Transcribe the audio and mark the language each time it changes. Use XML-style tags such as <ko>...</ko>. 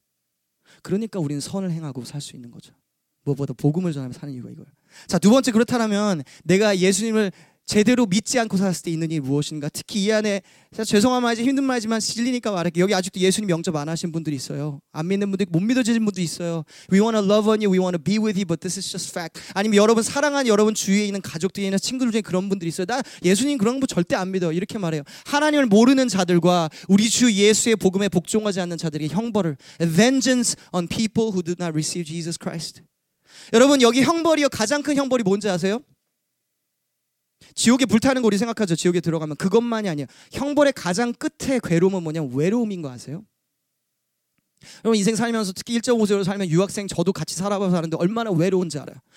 <ko>그러니까 우리는 선을 행하고 살 수 있는 거죠. 무엇보다 복음을 전하면서 사는 이유가 이거예요. 자, 두 번째 그렇다면 내가 예수님을 제대로 믿지 않고 살았을 때 있는 일이 무엇인가. 특히 이 안에 죄송한 말이지 힘든 말이지만 진리니까 말할게요. 여기 아직도 예수님 영접 안 하신 분들이 있어요. 안 믿는 분들, 못 믿어지는 분도 있어요.</ko> <en>We want to love on you, we want to be with you, but this is just fact.</en> <ko>아니면 여러분 사랑한 여러분 주위에 있는 가족들이나 친구들 중에 그런 분들이 있어요. 나 예수님 그런 거 절대 안 믿어. 이렇게 말해요. 하나님을 모르는 자들과 우리 주 예수의 복음에 복종하지 않는 자들에게 형벌을.</ko> <en>Vengeance on people who do not receive Jesus Christ.</en> <ko>여러분 여기 형벌이요. 가장 큰 형벌이 뭔지 아세요? 지옥에 불타는 거 우리 생각하죠. 지옥에 들어가면. 그것만이 아니에요. 형벌의 가장 끝에 괴로움은 뭐냐면 외로움인 거 아세요? 여러분 인생 살면서 특히 1.5세로 살면 유학생 저도 같이 살아봐서 아는데 얼마나 외로운지 알아요.</ko>